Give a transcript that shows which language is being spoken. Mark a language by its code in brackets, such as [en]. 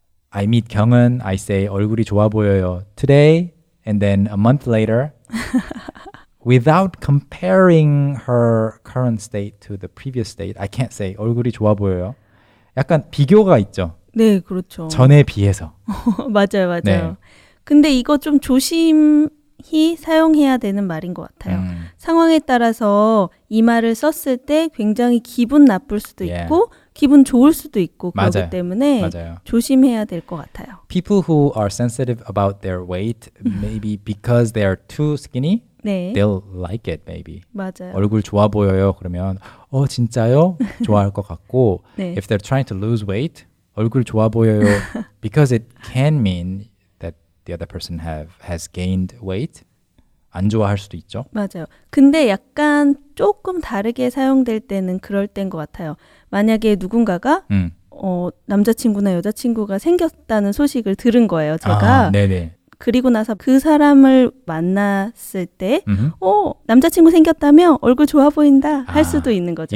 [en] I meet 경은. I say 얼굴이 좋아 보여요. Today. And then a month later, without comparing her current state to the previous state, I can't say 얼굴이 좋아 보여요. [ko] 약간 비교가 있죠. 네, 그렇죠. 전에 비해서. 맞아요, 맞아요. 네. 근데 이거 좀 조심히 사용해야 되는 말인 것 같아요. 상황에 따라서 이 말을 썼을 때 굉장히 기분 나쁠 수도 있고 기분 좋을 수도 있고 맞아요. 그렇기 때문에 맞아요. 조심해야 될 것 같아요. [en] People who are sensitive about their weight, maybe because they are too skinny, [ko] 네. [en] they'll like it, maybe. [ko] 맞아요. 얼굴 좋아 보여요. 그러면 진짜요? 좋아할 것 같고 네. [en] if they're trying to lose weight, [ko] 얼굴 좋아 보여요. [en] because it can mean that the other person has gained weight. [ko] 안 좋아할 수도 있죠. 맞아요. 근데 약간 조금 다르게 사용될 때는 그럴 때인 것 같아요. 만약에 누군가가 남자친구나 여자친구가 생겼다는 소식을 들은 거예요. 제가. 아, 네네. 그리고 나서 그 사람을 만났을 때 어, 남자친구 생겼다며 얼굴 좋아 보인다 할 아, 수도 있는 거죠.